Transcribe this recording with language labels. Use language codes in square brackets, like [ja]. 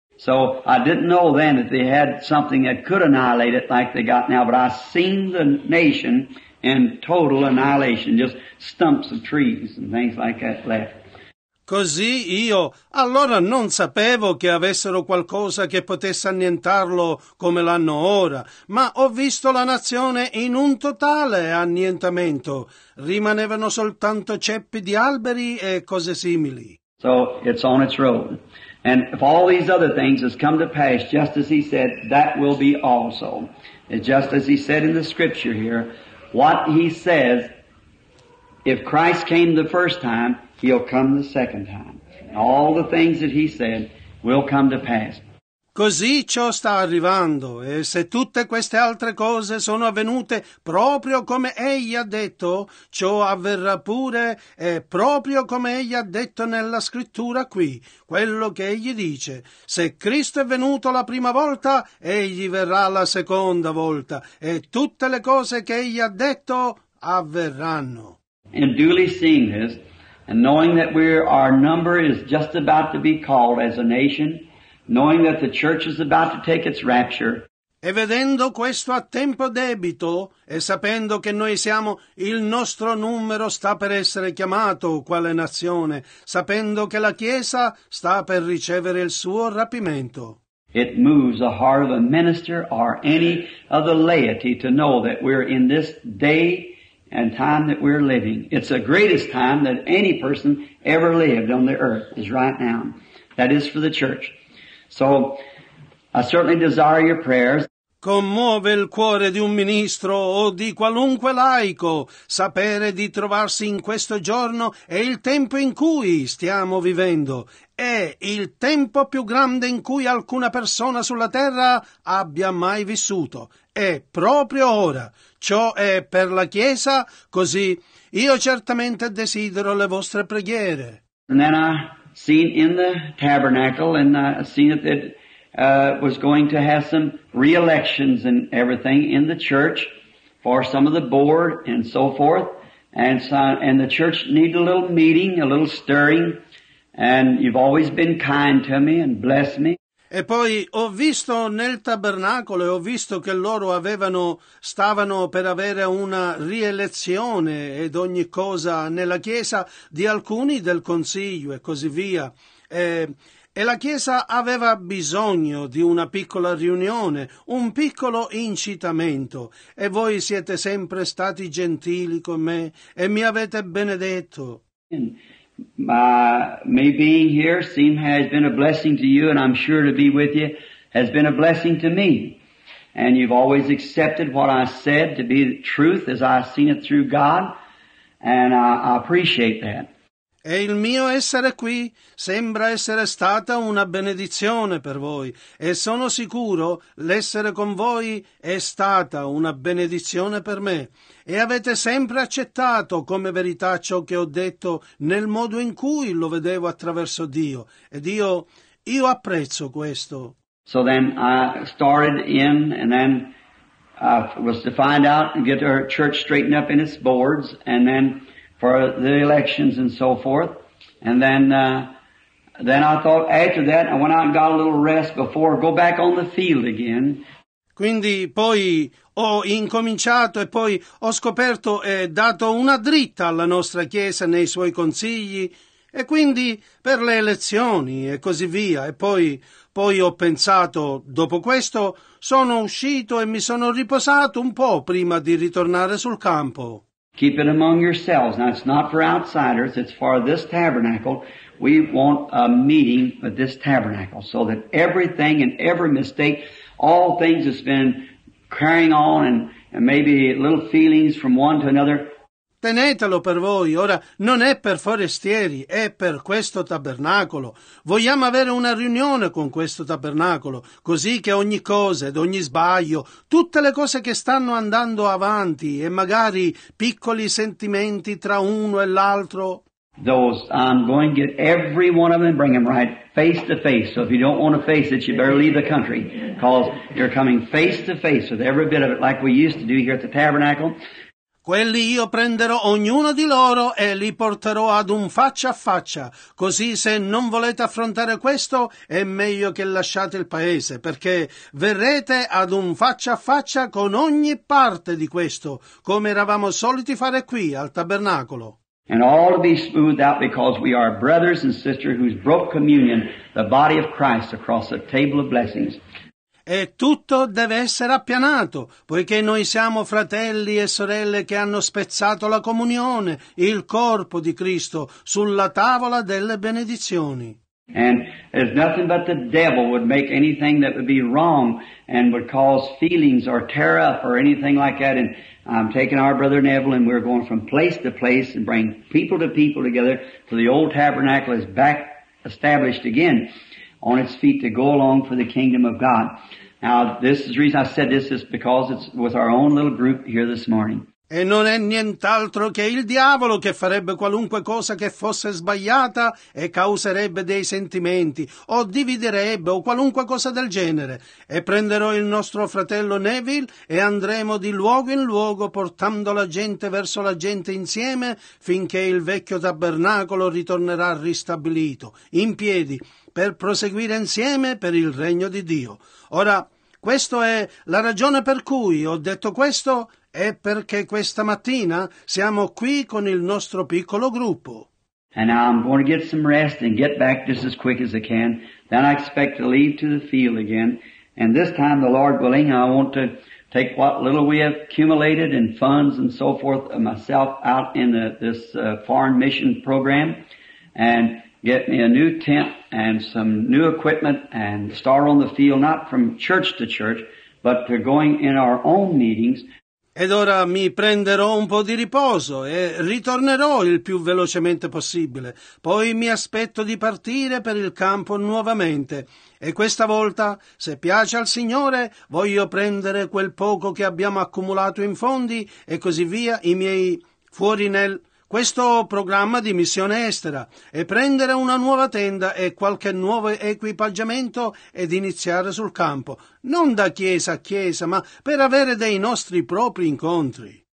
[en] So I didn't know then that they had something that could annihilate it like they got now, but I seen the nation in total annihilation, just stumps of trees and things like that left. [it] Così io allora non sapevo che avessero qualcosa che potesse annientarlo come l'hanno ora, ma ho visto la nazione in un totale annientamento. Rimanevano soltanto ceppi di alberi e cose simili. [en] So it's on its road. And if all these other things has come to pass, just as he said, that will be also. And just as he said in the scripture here, what he says, if Christ came the first time, he'll come the second time. And all the things that he said will come to pass. [it] Così ciò sta arrivando, e se tutte queste altre cose sono avvenute proprio come egli ha detto, ciò avverrà pure, e proprio come egli ha detto nella scrittura qui, quello che egli dice, se Cristo è venuto la prima volta, egli verrà la seconda volta, e tutte le cose che egli ha detto avverranno. [en] And duly seeing this, and knowing that our number is just about to be called as a nation, knowing that the church is about to take its rapture. [it] E vedendo questo a tempo debito, e sapendo che noi siamo, il nostro numero sta per essere chiamato quale nazione, sapendo che la Chiesa sta per ricevere il suo rapimento. [en] It moves the heart of a minister or any of the laity to know that we're in this day and time that we're living. It's the greatest time that any person ever lived on the earth is right now. That is for the church. So, I certainly desire your prayers. [it] Commuove il cuore di un ministro o di qualunque laico sapere di trovarsi in questo giorno e il tempo in cui stiamo vivendo. È il tempo più grande in cui alcuna persona sulla terra abbia mai vissuto. È proprio ora. Ciò è per la Chiesa, così io certamente desidero le vostre preghiere. Nana. [en] Seen in the tabernacle, and seen that it was going to have some re-elections and everything in the church for some of the board and so forth, and so, and the church needed a little meeting, a little stirring, And you've always been kind to me and blessed me. [it] E poi ho visto nel tabernacolo e ho visto che loro stavano per avere una rielezione ed ogni cosa nella chiesa di alcuni del consiglio e così via. E la chiesa aveva bisogno di una piccola riunione, un piccolo incitamento. E voi siete sempre stati gentili con me e mi avete benedetto. [en] Me being here seems has been a blessing to you, and I'm sure to be with you has been a blessing to me. And you've always accepted what I said to be the truth as I've seen it through God, and I appreciate that. [it] E il mio essere qui sembra essere stata una benedizione per voi, e sono sicuro l'essere con voi è stata una benedizione per me. E avete sempre accettato come verità ciò che ho detto nel modo in cui lo vedevo attraverso Dio. Ed io apprezzo questo. [en] So then I started in, and then I was to find out and get our church straightened up in its boards, and then for the elections and so forth. And then I thought after that I went out and got a little rest before go back on the field again. [it] Quindi poi ho incominciato e poi ho scoperto e dato una dritta alla nostra chiesa nei suoi consigli e quindi per le elezioni e così via. E poi ho pensato, dopo questo, sono uscito e mi sono riposato un po' prima di ritornare sul campo. [en] Keep it among yourselves. Now it's not for outsiders, it's for this tabernacle. We want a meeting with this tabernacle so that everything and every mistake, all things that's been carrying on and maybe little feelings from one to another. [it] Tenetelo per voi. Ora, non è per forestieri, è per questo tabernacolo. Vogliamo avere una riunione con questo tabernacolo, così che ogni cosa ed ogni sbaglio, tutte le cose che stanno andando avanti e magari piccoli sentimenti tra uno e l'altro. [en] Those, I'm going to get every one of them, bring them right face to face. So if you don't want to face it, you better leave the country. Because you're coming face to face with every bit of it, like we used to do here at the tabernacle. [it] Quelli io prenderò ognuno di loro e li porterò ad un faccia a faccia. Così se non volete affrontare questo, è meglio che lasciate il paese, perché verrete ad un faccia a faccia con ogni parte di questo, come eravamo soliti fare qui al tabernacolo. [en] And all to be smoothed out because we are brothers and sisters who broke communion, the body of Christ, across the table of blessings. [it] E tutto deve essere appianato, poiché noi siamo fratelli e sorelle che hanno spezzato la comunione, il corpo di Cristo, sulla tavola delle benedizioni. [en] And there's nothing but the devil would make anything that would be wrong and would cause feelings or tear up or anything like that. And I'm taking our brother Neville and we're going from place to place and bring people to people together till the old tabernacle is back established again. On its feet to go along for the kingdom of God. Now, this is the reason I said this is because it's with our own little group here this morning. [it] E non è nient'altro che il diavolo che farebbe qualunque cosa che fosse sbagliata e causerebbe dei sentimenti o dividerebbe o qualunque cosa del genere. E prenderò il nostro fratello Neville e andremo di luogo in luogo portando la gente verso la gente insieme finché il vecchio tabernacolo ritornerà ristabilito, in piedi, per proseguire insieme per il regno di Dio. Ora, questa è la ragione per cui ho detto questo, è perché questa mattina siamo qui con il nostro piccolo gruppo. [en] And now I'm going to get some rest and get back just as quick as I can. Then I expect to leave to the field again. And this time, the Lord willing, I want to take what little we have accumulated in funds and so forth myself out in this foreign mission program and get me a new tent and some new equipment and start on the field, not from church to church, but to going in our own meetings. [it] Ed ora mi prenderò un po' di riposo e ritornerò il più velocemente possibile. Poi mi aspetto di partire per il campo nuovamente. E questa volta, se piace al Signore, voglio prendere quel poco che abbiamo accumulato in fondi e così via, i miei fuori nel questo programma di missione estera e prendere una nuova tenda e qualche nuovo equipaggiamento ed iniziare sul campo, non da chiesa a chiesa, ma per avere dei nostri propri incontri.